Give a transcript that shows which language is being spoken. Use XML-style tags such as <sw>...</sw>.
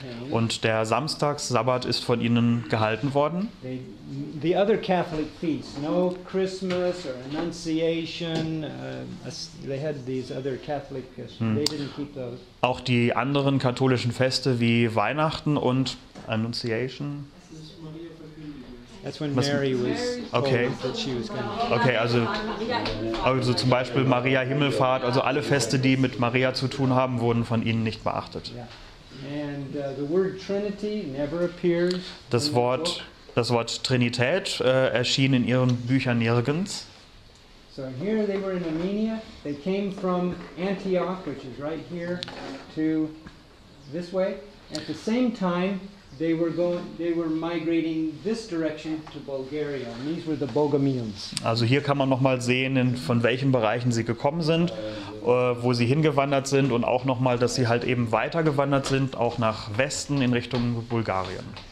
<de>Und der Samstagssabbat ist von ihnen gehalten worden.</de> <en>The other Catholic feasts, no Christmas or Annunciation, they had these other Catholic feasts, they didn't keep those.</en> <de>Auch die anderen katholischen Feste wie Weihnachten und Annunciation.</de> <en>That's when Mary was told that she was going to.</en> <de>Okay, also zum Beispiel Maria Himmelfahrt, also alle Feste, die mit Maria zu tun haben, wurden von ihnen nicht beachtet.</de> <en>And the word Trinity never appears.</en> <de>Das Wort Trinität erschien in ihren Büchern nirgends.</de> <en>So here they were in Armenia. They came from Antioch, which is right here, to this way. At the same time, they were migrating this direction to Bulgaria. And these were the Bogomils.</en> <de>Also hier kann man nochmal sehen, in von welchen Bereichen sie gekommen sind, wo sie hingewandert sind und auch nochmal, dass sie halt eben weitergewandert sind, auch nach Westen in Richtung Bulgarien.</de>